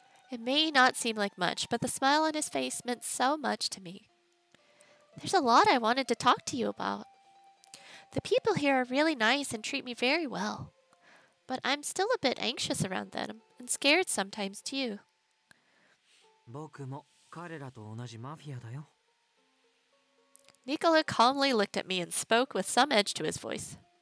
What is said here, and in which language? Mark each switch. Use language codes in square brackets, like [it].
[en] It may not seem like much, but the smile on his face meant so much to me. There's a lot I wanted to talk to you about. The people here are really nice and treat me very well. But I'm still a bit anxious around them, and scared sometimes too. [ja] 僕も彼らと同じマフィアだよ。 [en] Nicola calmly looked at me and spoke with some edge to his voice.